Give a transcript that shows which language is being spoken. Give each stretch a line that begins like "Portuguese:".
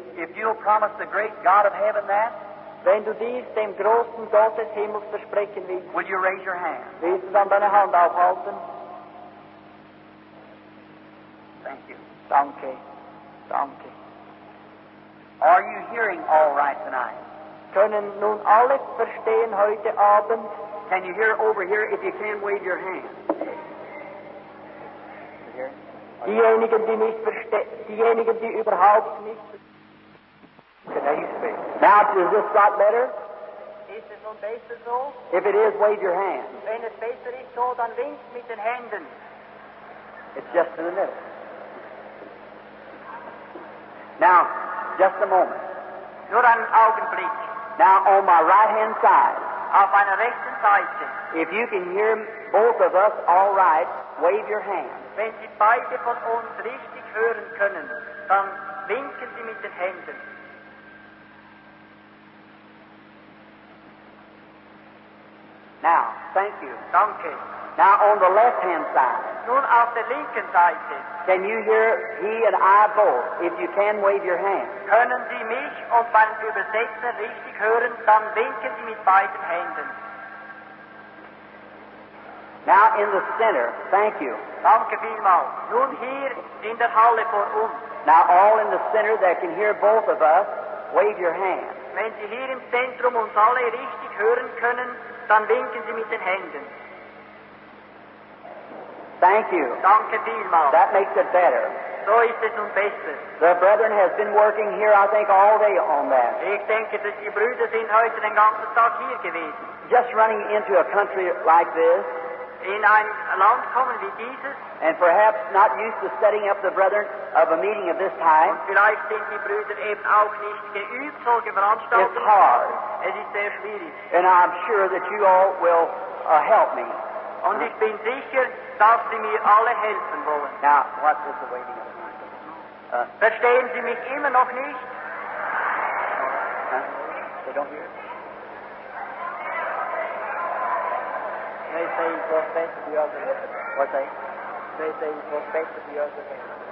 English: If you'll promise the great God of heaven that,
German: wenn du dies dem großen Gott des Himmels versprechen willst,
English: will you raise your hand?
German: Willst du dann deine Hand aufhalten?
English: Thank you.
German: Danke. Danke.
English: Are you hearing all right tonight?
German: Können nun alle verstehen heute Abend?
English: Can you hear over here if you can wave your hand?
German: Diejenigen, die überhaupt nicht verstehen.
English: Now, is this got better?
German: Ist es nun besser so?
English: If it is, wave your hand.
German: Wenn es besser ist so, dann wink mit den Händen.
English: It's just in a minute. Now, just a moment.
German: Nur einen Augenblick.
English: Now, on my right-hand side.
German: Auf meiner rechten Seite.
English: If you can hear both of us all right, wave your hand.
German: Wenn Sie beide von uns richtig hören können, dann winken Sie mit den Händen.
English: Now, thank you.
German: Danke.
English: Now, on the left-hand side.
German: Nun auf der linken Seite.
English: Can you hear he and I both, if you can wave your hand?
German: Können Sie mich und meinen Übersetzer richtig hören, dann winken Sie mit beiden Händen.
English: Now in the center, thank you.
German: Danke vielmals. Nun hier in der Halle vor uns.
English: Now all in the center that can hear both of us, wave your hand.
German: Wenn Sie hier im Zentrum uns alle richtig hören können, dann winken Sie mit den Händen.
English: Thank you.
German: Danke vielmals.
English: That makes it better.
German: So ist es nun besser.
English: The brethren has been working here, I think, all day on that.
German: Ich denke, dass die Brüder sind heute den ganzen Tag hier gewesen.
English: Just running into a country like this.
German: In ein Land kommen wie dieses.
English: And perhaps not used to setting up the brethren of a meeting of this time.
German: Und vielleicht sind die Brüder eben auch nicht geübt, solche Veranstaltungen.
English: It's hard.
German: Es ist sehr schwierig.
English: And I'm sure that you all will help me.
German: Und ich bin sicher, dass Sie mir alle helfen wollen.
English: Now, what is the waiting of the microphone?
German: Verstehen Sie mich immer noch nicht?
English: They don't hear it? They say it goes back to the other hand. What they? They say it goes back to the other hand.